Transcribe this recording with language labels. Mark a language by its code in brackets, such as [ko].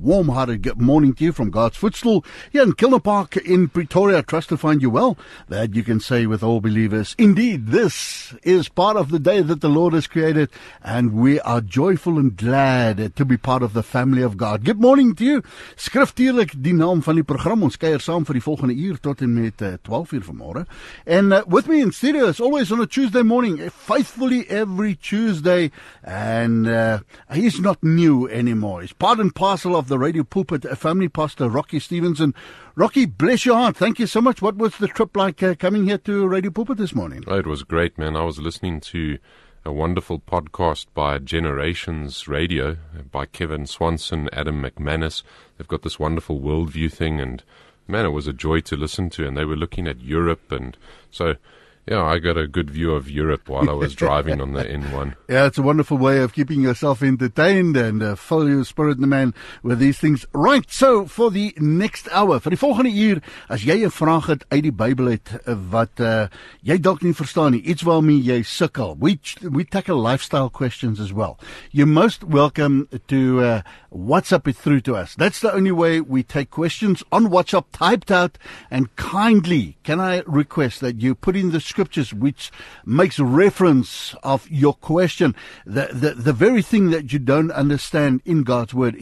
[en] Warm-hearted good morning to you from God's footstool here in Kilner Park in Pretoria. Trust to find you well, that you can say with all believers. Indeed, this is part of the day that the Lord has created, and we are joyful and glad to be part of the family of God. Good morning to you. [af] Skriftuurlik, die naam van die program. Ons keier saam vir die volgende uur tot en met 12 uur vanmorgen. [en] And with me in studio, as always on a Tuesday morning, faithfully every Tuesday, and he's not new anymore. He's part and parcel of the radio pulpit, family pastor Rocky Stevenson. Rocky, bless your heart. Thank you so much. What was the trip like coming here to Radio Pulpit this morning? Oh, it was great, man. I was listening to a wonderful podcast by Generations Radio by Kevin Swanson, Adam McManus. They've got this wonderful worldview thing, and man, it was a joy to listen to. And they were looking at Europe, and so. Yeah, I got a good view of Europe while I was driving on the N1. Yeah, it's a wonderful way of keeping yourself entertained and fill your spirit in the man with these things. Right, so for the next hour, for [af] die volgende uur, as jy 'n vraag het uit die Bybel het wat jy dalk nie verstaan nie, iets waarmee jy sukkel, [en] we tackle lifestyle questions as well. You're most welcome to WhatsApp it through to us. That's the only way we take questions on WhatsApp typed out, and kindly, can I request that you put in the scriptures which makes reference of your question, the very thing that you don't understand in God's word.